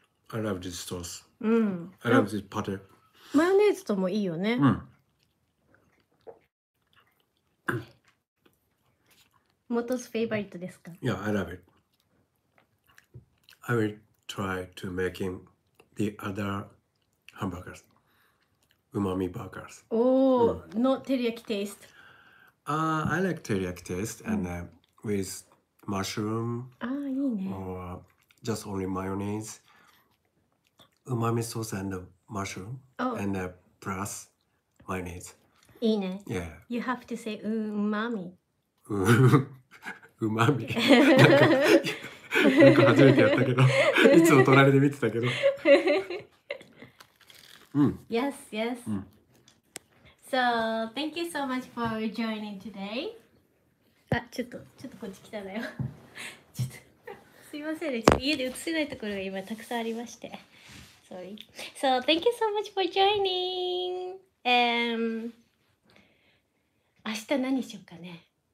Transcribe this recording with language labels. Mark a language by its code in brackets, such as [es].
[en] I love this sauce. [ja] うん。 [en] I love this butter. [ja] マヨネーズともいいよね。うん。モトスフェイバリットですか。 [en] Yeah, I love it. I will try to making the other hamburgers. Umami burgers. Oh, not teriyaki taste. I like teriyaki taste and with mushroom. [ja] Ah, いいね. [en] Or just only mayonnaise, umami sauce and mushroom. Oh. And plus mayonnaise. [ja] いいね. [en] Yeah. You have to say umami. Umami. [ja] なんか初めてやったけど、いつも隣で見てたけど。 [en] Yes. So thank you so much for joining today. [ja] ちょっとこっち来たのよ。ちょっとすいませんね。家で映せないところが今たくさんありまして。 [en] Sorry. So thank you so much for joining. And [ja] 明日何しようかね。